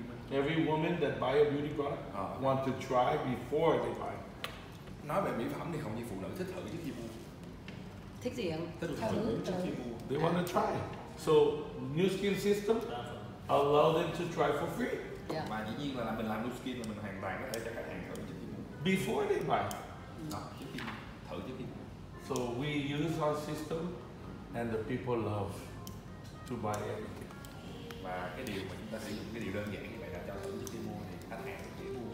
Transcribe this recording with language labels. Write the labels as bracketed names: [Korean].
[English] every woman that buy a beauty product want to try before they buy. [Vietnamese] Nói về mỹ phẩm thì không như phụ nữ thích thử trước khi mua. Thích gì không? Thích thử trước khi mua. [English] They want to try. So new skin system allow them to try for free. Yeah. [Vietnamese] Mà dĩ nhiên là mình làm new skin là mình hoàn toàn có thể cho khách hàng thử trước khi mua. [English] Before they buy. [Vietnamese] Trước khi thử chứ. [English] So we use our system and the people love to buy everything. [Vietnamese] Và cái điều mà chúng ta sử dụng cái điều đơn giản như vậy là cho chúng ta mua thì khách hàng sẽ mua.